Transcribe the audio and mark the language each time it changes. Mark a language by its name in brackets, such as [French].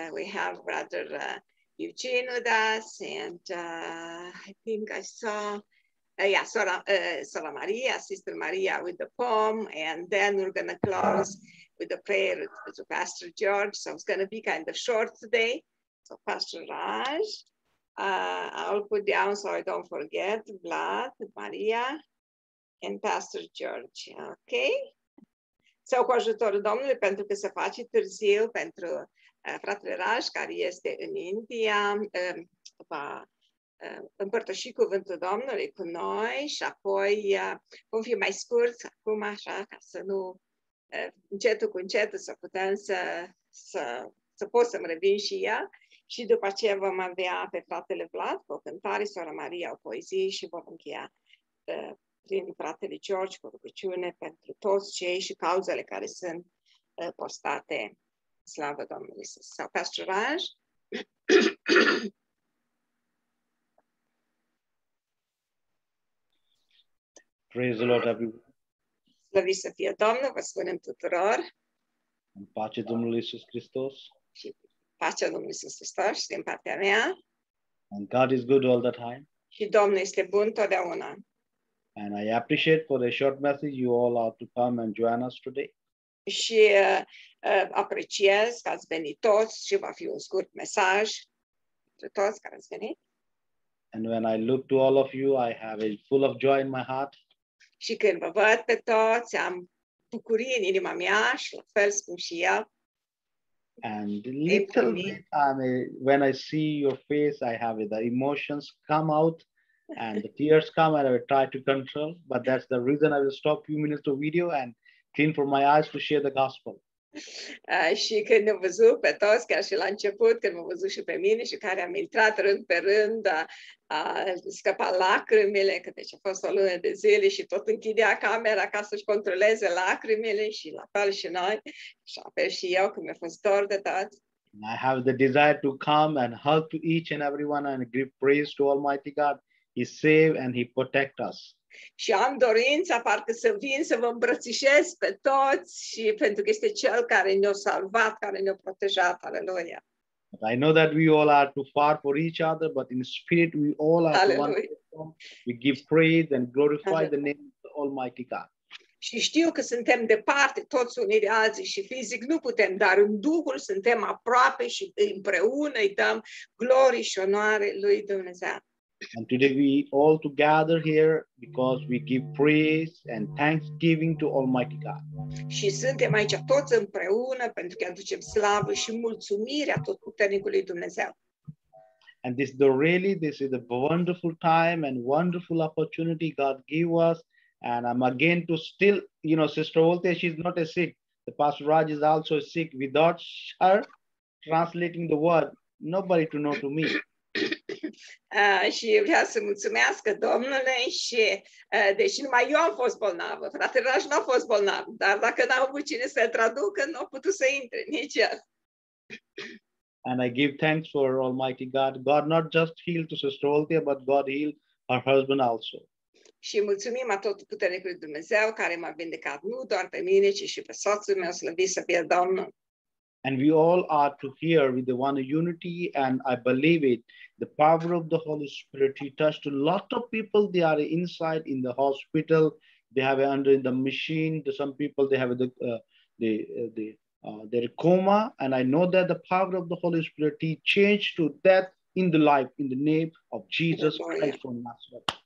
[English] We have Brother Eugene with us, and I think I saw, Sora Maria, Sister Maria with the poem, and then we're going to close with a prayer to Pastor George. So it's going to be kind of short today. So Pastor Raj, I'll put down so I don't forget, Vlad, Maria, and Pastor George, okay? [Romanian] Sau cu ajutorul Domnului, pentru că se face târziu, pentru fratele Raj, care este în India, va împărtăși cuvântul Domnului cu noi și apoi vom fi mai scurt acum, așa, ca să nu, încetul cu încetul, să putem să pot să-mi revin și ea. Și după aceea vom avea pe fratele Vlad cu o cântare, sora Maria, o poezie și vom încheia prin fratele George cu rugăciune pentru toți cei și cauzele care sunt postate. Slavă Domnului Iisus! Sau Pastor Raj? [English] Praise the Lord, everyone! [Romanian] Slăviți să fie Domnul, vă spunem tuturor! În pace Domnului Iisus Hristos! Pacea Domnului Iisus Hristos și din partea mea. [English] And God is good all the time. [Romanian] Și Domnul este bun totdeauna. [English] And I appreciate for the short message you all are to come and join us today. [Romanian] Și apreciez că ați venit toți și va fi un scurt mesaj pentru toți care ați venit. [English] And when I look to all of you, I have a full of joy in my heart. [Romanian] Și când vă văd pe toți, am bucurie în inima mea și la fel spun și eu. [English] And little bit, when I see your face, I have the emotions come out and the tears come and I will try to control. But that's the reason I will stop a few minutes of video and clean for my eyes to share the gospel. [Romanian] Și când am văzut pe toți, chiar și la început, când am văzut și pe mine și care am intrat rând pe rând, scăpat lacrimile, că deci a fost o lună de zile și tot închidea camera ca să-și controleze lacrimile și la fel și noi, și la fel și eu, când mi-a fost dor de tot. [English] I have the desire to come and help to each and everyone and give praise to Almighty God. He save and He protect us. [Romanian] Și am dorința parcă să vin să vă îmbrățișez pe toți și pentru că este Cel care ne-a salvat, care ne-a protejat, aleluia. [English] But I know that we all are too far for each other, but in spirit we all are [Romanian] aleluia. [English] One. We give praise and glorify aleluia. The name of the Almighty God. [Romanian] Și știu că suntem departe toți unii de alții și fizic nu putem, dar în Duhul suntem aproape și împreună îi dăm glorie și onoare lui Dumnezeu. [English] And today we all to gather here because we give praise and thanksgiving to Almighty God. [Romanian] Și suntem aici toți împreună pentru că aducem slavă și mulțumire Atotputernicului Dumnezeu. [English] And this is a wonderful time and wonderful opportunity God gave us. And I'm again to still, you know, Sister Volte, she's not a sick. The Pastor Raj is also sick. Without her translating the word, nobody to know to me. [Romanian] Și vreau să mulțumesc Domnule și deși numai eu am fost bolnavă, fratele Raj nu a fost bolnav, dar dacă n-au avut cine să-l traducă, nu a putut să intre nici el. [English] And I give thanks for Almighty God. God not just healed to Sister Olte, but God healed her husband also. [Romanian] Și mulțumim Atotputernicului Dumnezeu care m-a vindecat nu doar pe mine, ci și pe soțul meu, slăvit să fie Domnul. [English] And we all are to hear with the one unity, and I believe it, the power of the Holy Spirit, He touched a lot of people. They are inside in the hospital, they have under the machine, some people they have their coma, and I know that the power of the Holy Spirit, He changed to death in the life, in the name of Jesus Christ from Nazareth.